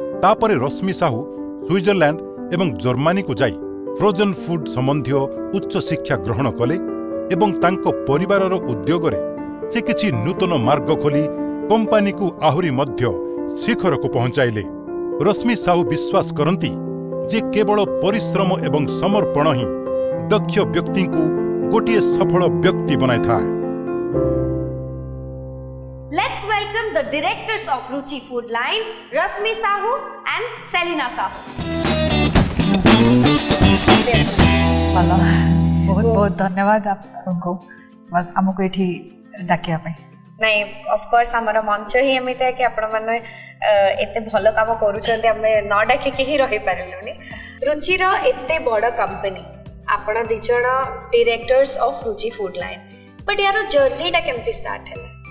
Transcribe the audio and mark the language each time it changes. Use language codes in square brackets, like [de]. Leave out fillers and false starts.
[or] ତାପରେ ରଶ୍ମି ସାହୁ ସ୍ୱିଜରଲ୍ୟାଣ୍ଡ ଏବଂ ଜର୍ମାନୀକୁ ଯାଇ ଫ୍ରୋଜନ୍ ଫୁଡ୍ ସମ୍ବନ୍ଧୀୟ ଉଚ୍ଚ ଶିକ୍ଷା ଗ୍ରହଣ କଲେ ଏବଂ ତାଙ୍କ ପରିବାରର ଉଦ୍ୟୋଗରେ ସେ କିଛି ନୂତନ ମାର୍ଗ ଖୋଲି କମ୍ପାନୀକୁ ଆହୁରି ମଧ୍ୟ ଶିଖରକୁ ପହଞ୍ଚାଇଲେ। ରଶ୍ମି ସାହୁ ବିଶ୍ୱାସ କରନ୍ତି ଯେ କେବଳ ପରିଶ୍ରମ ଏବଂ ସମର୍ପଣ ହିଁ ଦକ୍ଷ ବ୍ୟକ୍ତିଙ୍କୁ ଗୋଟିଏ ସଫଳ ବ୍ୟକ୍ତି ବନାଇଥାଏ। [en] Let's welcome the directors of Ruchi Food Line, Rashmi Sahu and Selina Sahu. Hello. [or] ବହୁତ ବହୁତ ଧନ୍ୟବାଦ ଆପଣଙ୍କୁ ଆମକୁ ଏଠି ଡାକିବା ପାଇଁ। ନାଇଁ, ଅଫକୋର୍ସ ଆମର ମଞ୍ଚ ହିଁ ଏମିତିଆ କି ଆପଣମାନେ ଏତେ ଭଲ କାମ କରୁଛନ୍ତି, ଆମେ ନ ଡାକିକି ହିଁ ରହିପାରିଲୁନି। ରୁଚିର ଏତେ ବଡ଼ କମ୍ପାନୀ, ଆପଣ ଦୁଇ ଜଣ [en] directors of Ruchi food line, [or] but ୟାର ଜର୍ଣ୍ଣିଟା କେମିତି ଷ୍ଟାର୍ଟ ହେଲା?